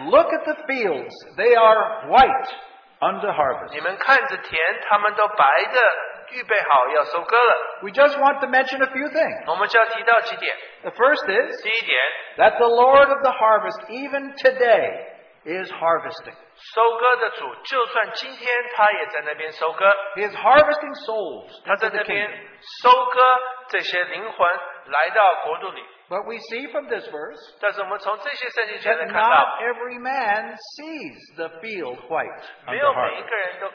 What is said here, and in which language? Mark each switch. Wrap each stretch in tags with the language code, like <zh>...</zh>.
<en>Look at the fields, they are white under harvest.</en> <zh>你们看着田，他们都白的。</zh> <en>We just want to mention a few things.</en> <zh>我们就要提到几点。</zh> <en>The first is</en> <zh>第一点,</zh> <en>that the Lord of the harvest, even today, is harvesting.</en> <zh>收割的主,就算今天他也在那边收割,</zh> <en>he is harvesting souls.</en> <zh>他在那边收割这些灵魂来到国度里。</zh> <en>But we see from this verse</en> <zh>但是我们从这些圣经节来看到,</zh> <en>that not every man sees the field white.</en>